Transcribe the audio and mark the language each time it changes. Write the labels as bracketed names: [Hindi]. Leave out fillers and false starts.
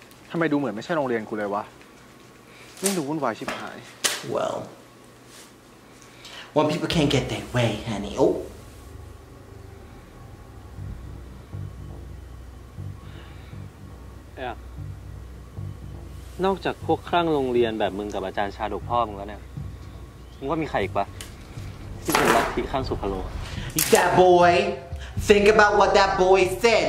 [Thai] ทำไมดูเหมือนไม่ใช่โรงเรียนกูเลยวะนี่ดูวุ่นวายชิบหาย [English] Well when people can't get their way, honey. Oh [Thai] yeah. นอกจากพวกคลั่งโรงเรียนแบบมึงกับอาจารย์ชาดกพ่อมึงแล้วเนี่ยมึงว่ามีใครอีกปะที่เป็นลัทธิคลั่งสุภโล [English] That boy think about what that boy said.